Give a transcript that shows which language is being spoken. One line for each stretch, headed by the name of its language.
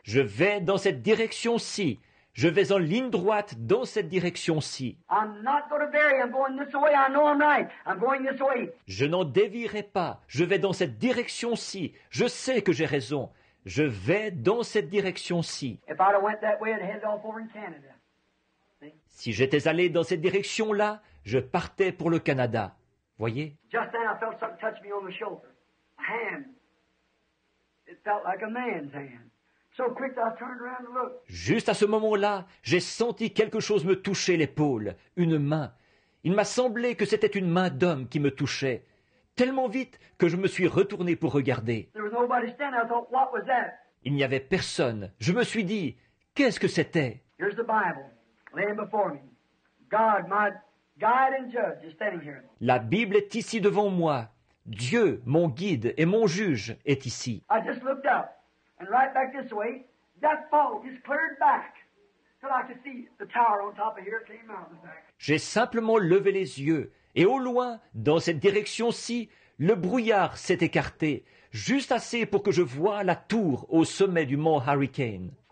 French: Je vais dans cette direction-ci. Je vais en ligne droite dans cette direction-ci.
English: I'm not going to vary. I'm going this way. I know I'm right. I'm going this way.
French: Je n'en dévierai pas. Je vais dans cette direction-ci. Je sais que j'ai raison. Je vais dans cette direction-ci.
English: If I'd have went that way, I'd head off over in Canada.
French: Si j'étais allé dans cette direction-là, je partais pour le Canada. Voyez?
English: Just then, I felt something touch me on the shoulder. A hand. It felt like a man's hand. So quick, I turned around to look.
French: Juste à ce moment-là, j'ai senti quelque chose me toucher l'épaule. Une main. Il m'a semblé que c'était une main d'homme qui me touchait. Tellement vite que je me suis retourné pour regarder.
English: There was nobody standing. I thought, what was that?
French: Il n'y avait personne. Je me suis dit, qu'est-ce que c'était?
English: Here's the Bible. Laying before me, God, my guide and judge, is standing here.
French: La Bible est ici devant moi. Dieu, mon guide et mon juge, est ici.
English: I just looked up, and right back this way, that fog just cleared back, so I could see the tower on top of here came out.
French: J'ai simplement levé les yeux, et au loin, dans cette direction-ci, le brouillard s'est écarté, juste assez pour que je voie la tour au sommet du mont Hurricane.